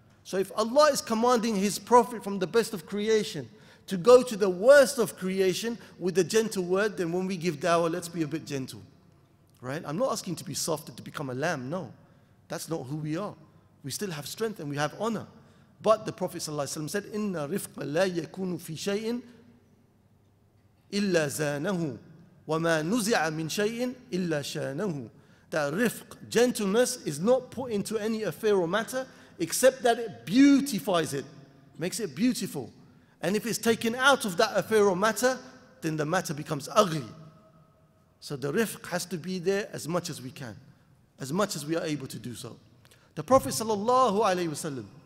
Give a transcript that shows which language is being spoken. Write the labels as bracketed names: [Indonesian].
[English] So if Allah is commanding his prophet from the best of creation to go to the worst of creation with a gentle word, then when we give dawah, let's be a bit gentle, right? I'm not asking to be soft and to become a lamb, no. That's not who we are. We still have strength and we have honor. But the Prophet ﷺ said, [Arabic] إِنَّ رِفْقَ لَا يَكُونُ فِي شَيْءٍ إِلَّا زَانَهُ وَمَا نُزِعَ مِنْ شَيْءٍ إِلَّا شَانَهُ. [English] That rifq, gentleness, is not put into any affair or matter except that it beautifies it, makes it beautiful. And if it's taken out of that affair or matter, then the matter becomes ugly. So the rifq has to be there as much as we can, as much as we are able to do so. The Prophet sallallahu alayhi wa sallam,